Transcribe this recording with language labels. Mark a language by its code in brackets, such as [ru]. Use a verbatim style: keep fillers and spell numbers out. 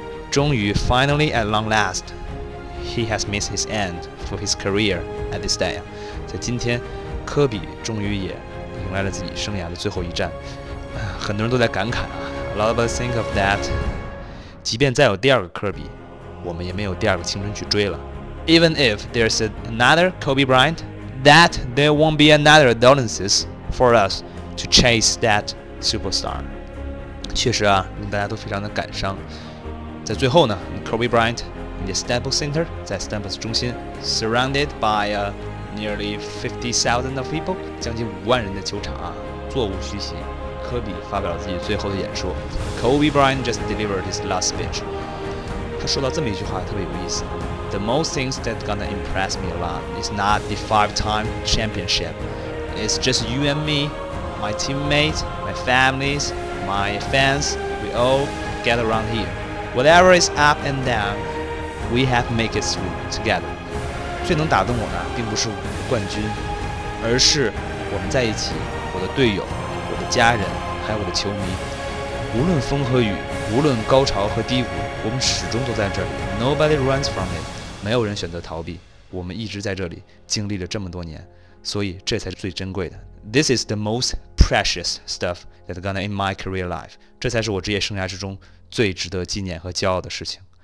[zh] 终于 [en] ，finally at long last，he has met his end for his career at this day。 [zh] 在今天。科比终于也迎来了自己生涯的最后一战，很多人都在感慨啊 ， [en] A lot of us think of that。 [zh] 即便再有第二个科比，我们也没有第二个青春去追了。 [en] Even if there's another Kobe Bryant, that there won't be another Adonis for us to chase that superstar。 [zh] 确实啊，令大家都非常的感伤。 [en] 在最后呢 ，Kobe Bryant in the Staples Center， [zh] 在 Staples 中心 [en] ，surrounded by a Nearly fifty thousand of people， [zh] 将近五万人的球场啊，座无虚席。科比发表了自己最后的演说 ， [en] Kobe Bryant just delivered his last speech。 [zh] 他说到这么一句话特别有意思 [en] ：The most things that gonna impress me a lot is not the five-time championship. It's just you and me, my teammates, my families, my fans. We all get around here. Whatever is up and down, we have make it through together. [zh] 最能打动我的并不是我们的冠军，而是我们在一起，我的队友，我的家人，还有我的球迷。无论风和雨，无论高潮和低谷，我们始终都在这里。 [en] Nobody runs from it， [zh] 没有人选择逃避。我们一直在这里，经历了这么多年，所以这才是最珍贵的。 [en] This is the most precious stuff that's gonna in my career life。 [zh] 这才是我职业生涯之中最值得纪念和骄傲的事情。